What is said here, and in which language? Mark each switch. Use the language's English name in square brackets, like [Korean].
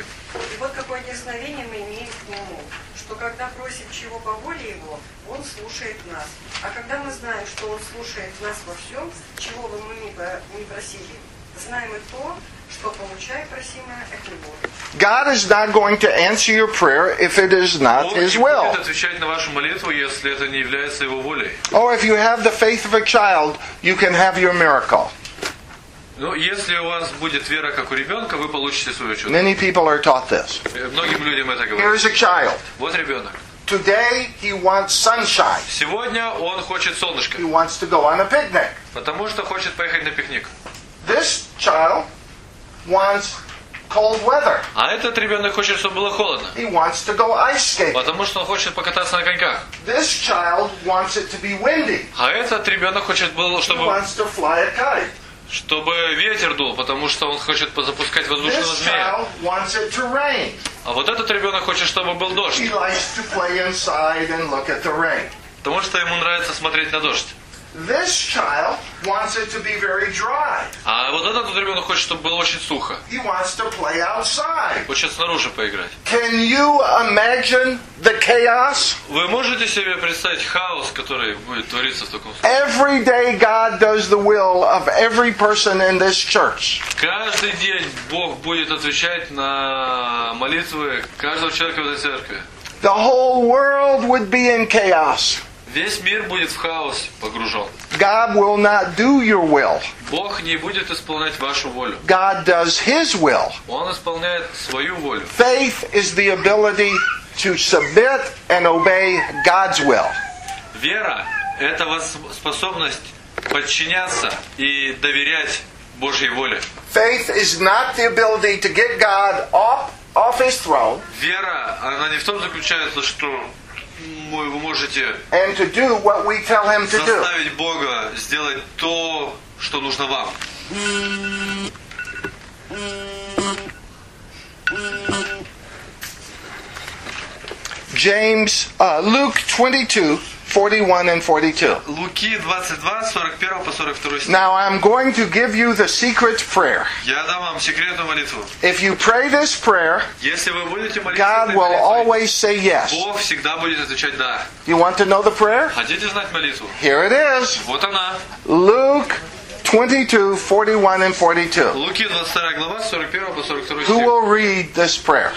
[Russian] И вот какое дерзновение мы имеем к Нему, что когда просим чего по воле Его, Он слушает нас. А когда мы знаем, что Он слушает нас во всем, чего бы мы ни просили, знаем и то, что получая просимое от Него. [English] God is not going to answer your prayer if it is not [Russian] Бог [English] His will. [Russian] Бог не будет отвечать на вашу молитву, если это не является Его волей. [English] Or if you have the faith of a child, you can have your miracle. [Russian] Ну, если у вас будет вера, как у ребенка, вы получите свое чудо. [English] Many people are taught this. [Russian] Многим людям это говорят. [English] Here is a child. [Russian] Вот ребенок. [English] Today he wants sunshine. [Russian] Сегодня он хочет солнышко. [English] He wants to go on a picnic. [Russian] Потому что хочет поехать на пикник. [English] This child wants cold weather. [Russian] А этот ребенок хочет, чтобы было холодно. [English] He wants to go ice skating. [Russian] Потому что он хочет покататься на коньках. [English] This child wants it to be windy. [Russian] А этот ребенок хочет, чтобы... [English] He wants to fly a kite. [Russian] Чтобы ветер дул, потому что он хочет запускать воздушного [English] This [Russian] змея. [English] Child wants it to rain. [Russian] А вот этот ребенок хочет, чтобы был дождь. [English] He likes to play inside and look at the rain. [Russian] Потому что ему нравится смотреть на дождь. [English] This child wants it to be very dry. [Russian] А вот этот ребенок хочет, чтобы было очень сухо. [English] He wants to play outside. [Russian] Хочет снаружи поиграть. [English] Can you imagine the chaos? [Russian] Вы можете себе представить хаос, который будет твориться в таком случае? [English] Every day God does the will of every person in this church. [Russian] Каждый день Бог будет отвечать на молитвы каждого человека в этой церкви. [English] The whole world would be in chaos. [Russian] Весь мир будет в хаос погружен. [English] God will not do your will. [Russian] Бог не будет исполнять вашу волю. [English] God does His will. [Russian] Он исполняет свою волю. [English] Faith is the ability to submit and obey God's will. [Russian] Вера – это способность подчиняться и доверять Божьей воле. [English] Faith is not the ability to get God off His throne. [Russian] Вера, она не в том заключается, что вы можете [English] and to do what we tell him to do. [Russian] Заставить Бога сделать то, что нужно вам. [English] James, Luke 22:41-42. [Russian] Луки 22, 41 по 42 стих. [English] Now I'm going to give you the secret prayer. [Russian] Я дам вам секретную молитву. [English] If you pray this prayer, [Russian] если вы будете молиться, [English] God will always say yes. [Russian] Бог всегда будет отвечать да. [English] You want to know the prayer? [Russian] Хотите знать молитву? [English] Here it is. [Russian] Вот она. [English] Luke 22:41-42. [Russian] Луки 22 глава 41 по 42 стих. [English] Who will read this prayer?